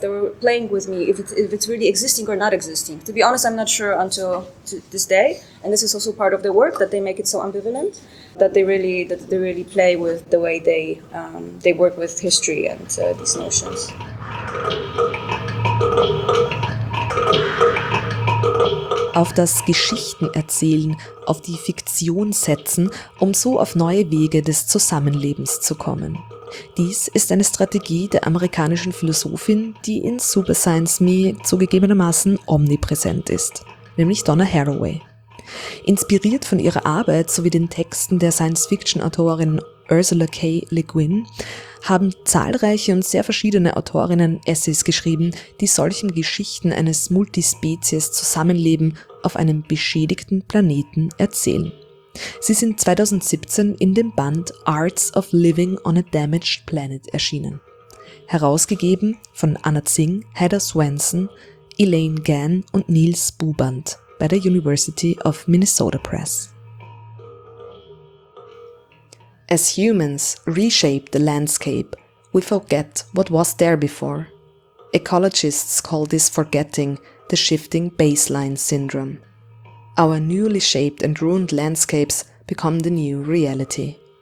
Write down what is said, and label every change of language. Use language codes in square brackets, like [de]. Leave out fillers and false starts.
[en] They were playing with me if it's really existing or not existing. To be honest, I'm not sure until to this day. And this is also part of the work that they make it so ambivalent, that they really play with the way they work with history and these notions. [de] Auf das Geschichten erzählen, auf die Fiktion setzen, um so auf neue Wege des Zusammenlebens zu kommen. Dies ist eine Strategie der amerikanischen Philosophin, die in Super Science Me zugegebenermaßen omnipräsent ist, nämlich Donna Haraway. Inspiriert von ihrer Arbeit sowie den Texten der Science-Fiction-Autorin Ursula K. Le Guin, haben zahlreiche und sehr verschiedene Autorinnen Essays geschrieben, die solchen Geschichten eines Multispezies-Zusammenleben auf einem beschädigten Planeten erzählen. Sie sind 2017 in dem Band Arts of Living on a Damaged Planet erschienen. Herausgegeben von Anna Zing, Heather Swanson, Elaine Gann und Nils Buband bei der University of Minnesota Press. [en] As humans reshape the landscape, we forget what was there before. Ecologists call this forgetting the shifting baseline syndrome. Our newly shaped and ruined landscapes become the new reality.